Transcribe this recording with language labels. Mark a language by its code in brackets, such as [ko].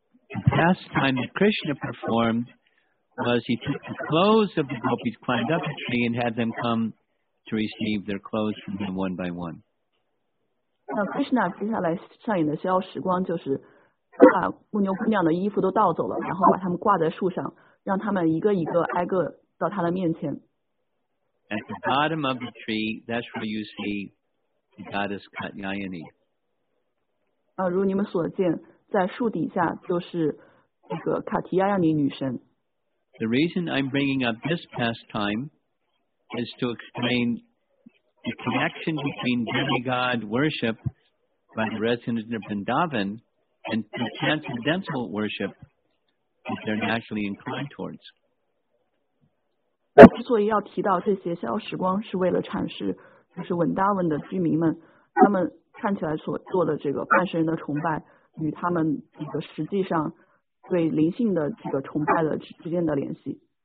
[en] The past time that Krishna performed was he took the clothes of the gopis, climbed up a tree, and had them come to receive their clothes from him one by one. [zh] 那 Krishna 接下来上演的逍遥时光就是。把牧牛姑娘的衣服都倒走了，然后把她们挂在树上，让她们一个一个挨个到她的面前。 [en] At the bottom of the tree, that's where you see the goddess Katyayani. [zh] 如你们所见，在树底下就是这个卡提亚亚尼女神。 [en] The reason I'm bringing up this pastime is to explain the connection between demigod worship by the residents of Vrindavan. and the transcendental worship that they're naturally inclined towards. [zh] 之所以要提到这些逍遥时光，是为了阐释，就是文达文的居民们，他们看起来所做的这个半神的崇拜，与他们这个实际上对灵性的这个崇拜的之间的联系。